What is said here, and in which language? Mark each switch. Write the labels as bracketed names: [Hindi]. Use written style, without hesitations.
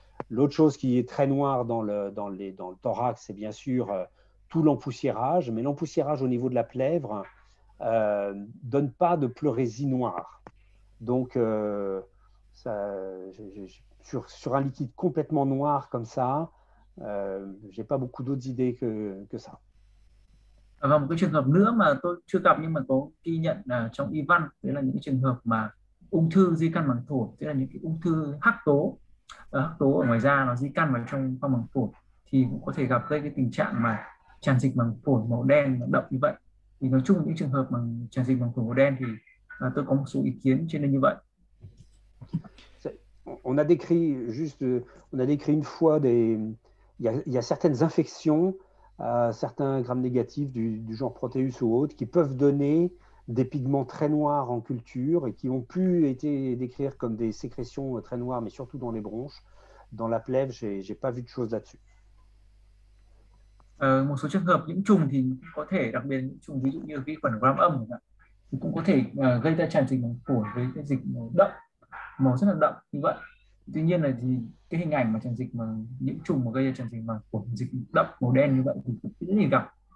[French] L'autre chose qui est très noire dans le thorax, c'est bien sûr tout l'empoussiérage, mais l'empoussiérage au niveau de la plèvre donne pas de pleurésie noire. Donc, sur un liquide complètement noir comme ça, j'ai pas beaucoup d'autres idées que ça. [Vietnamese] Và một cái trường hợp nữa mà tôi chưa gặp nhưng mà có ghi nhận là trong y văn, đấy là những cái trường hợp mà ung thư di căn màng phổi, tức là những cái ung thư hắc tố ở ngoài da nó di căn vào trong khoang màng phổi, thì cũng có thể gặp gây cái tình trạng mà tràn dịch màng phổi màu đen và đậm như vậy. Thì nói chung những trường hợp mà tràn dịch màng phổi màu đen thì tôi có một số ý kiến trên đây như vậy. [French] On a décrit une fois il y a certaines infections, certains grammes négatifs du genre Proteus ou autres, qui peuvent donner des pigments très noirs en culture et qui ont pu été décrire comme des sécrétions très noires, mais surtout dans les bronches. Dans la plèvre, j'ai pas vu de choses là-dessus. [Vietnamese] Một số trường hợp nhiễm trùng thì có thể, đặc biệt nhiễm trùng ví dụ như vi khuẩn gram âm thì cũng có thể gây ra tràn dịch màng phổi với cái dịch màu đậm, màu rất là đậm như vậy. Tuy nhiên là thì cái hình ảnh mà tràn dịch mà nhiễm trùng mà gây ra tràn dịch màng phổi dịch đậm màu đen như vậy thì cũng rất là gặp.